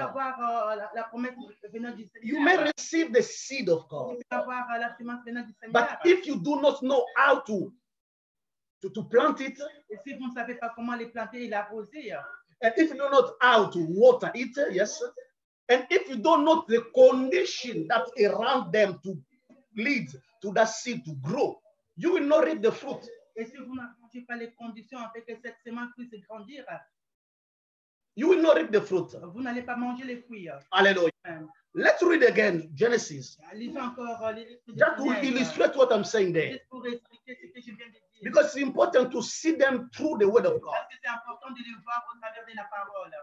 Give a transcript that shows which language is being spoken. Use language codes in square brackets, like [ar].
[fr] Tu peux avoir la promesse venant du Seigneur. [en] You may receive the seed of God. [fr] Tu peux avoir la semence venant du Seigneur. [en] But if you do not know how to plant it, [fr] et si vous ne savez pas comment les planter et l'arroser, [en] and if you do not know how to water it, yes, and if you don't know the condition that around them to lead to that seed to grow, you will not reap the fruit. [fr] Et si vous n'arrangez pas les conditions afin que cette semence puisse grandir, [en] you will not reap the fruit. [fr] Vous n'allez pas manger les fruits. [en] Alléluia. Let's read again Genesis. [fr] Lisez encore [en] l'Écriture. Just to illustrate what I'm saying there. [fr] Juste pour expliquer ce que je viens de dire. [en] Because it's important to see them through the word of God. [fr] Parce que c'est important de les voir au travers de la parole.